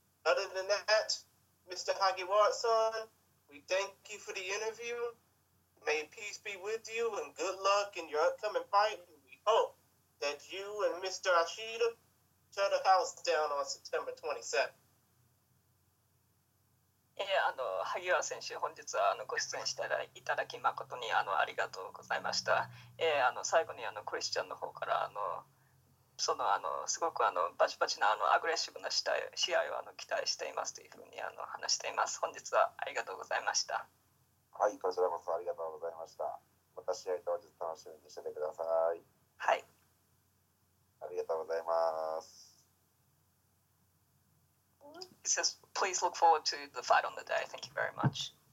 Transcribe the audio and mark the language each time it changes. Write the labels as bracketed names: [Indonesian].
[English] Other than that, Mr. Hagiwara-san, we thank you for the interview. May peace be with you and good luck in your upcoming fight. We hope that you and Mr. Ashida shut the house down on September 27th. [Japanese] あの萩原選手、本日はあのご出演していただき誠に ありがとうございました。最後にクリスチャンの方からすごくバチバチなアグレッシブな試合を期待していますというふうに話しています。本日はありがとうございました。はい、こちらこそありがとうございました。また試合当日楽しみにしててください。はい。ありがとうございます。 [English] He says, please look forward to the fight on the day. Thank you very much.